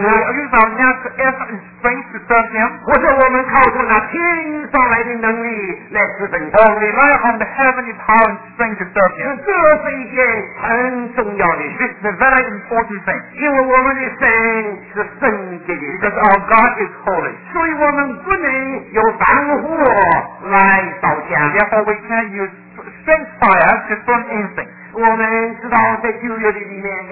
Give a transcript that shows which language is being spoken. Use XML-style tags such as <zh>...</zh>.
<en>use our natural effort and strength to serve him</en> <zh>或者我们靠着那天上来的能力来侍奉神</zh> <en>or rely on the heavenly power and strength to serve him</en> <zh>这是一件很重要的</zh> <en>this is a very important thing</en> <zh>因为我们的神是圣洁的</zh> <en>because our God is holy</en> <zh>所以我们不能有燔火来烧香</zh> <en>therefore we can't use strength fire to burn anything</en> <zh>我们知道在旧约的里面</zh>